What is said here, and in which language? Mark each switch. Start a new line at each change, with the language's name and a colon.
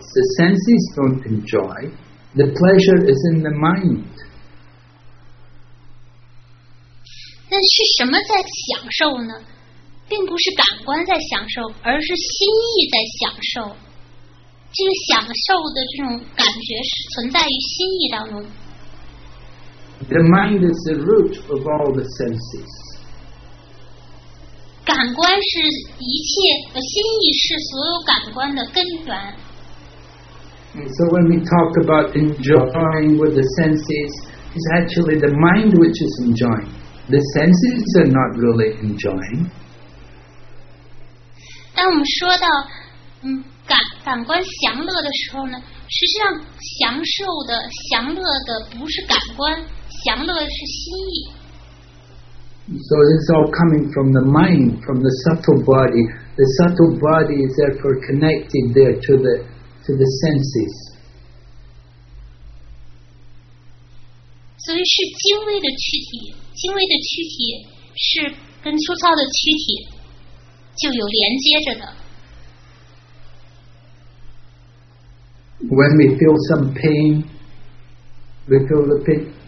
English: The senses don't enjoy. The pleasure is in the mind.
Chinese: 那们是什么在享受呢？并不是感官在享受，而是心意在享受。这个享受的这种感觉是存在于心意当中。
English: The mind is the root of all the senses.
Chinese: 感官是一切，心意是所有感官的根源。
English: And so when we talk about enjoying with the senses, it's actually the mind which is enjoying. The senses are not really enjoying.
Chinese: 当我们说到感官享乐的时候呢，实际上享受的享乐的不是感官，享乐的是心意。
English: So it's all coming from the mind, from the subtle body. The subtle body is therefore connected there to theTo the senses.
Chinese: 所以是精微的躯体，精微的躯体是跟粗糙的躯体就有连接着的。
English: When we feel some pain, we feel the pain.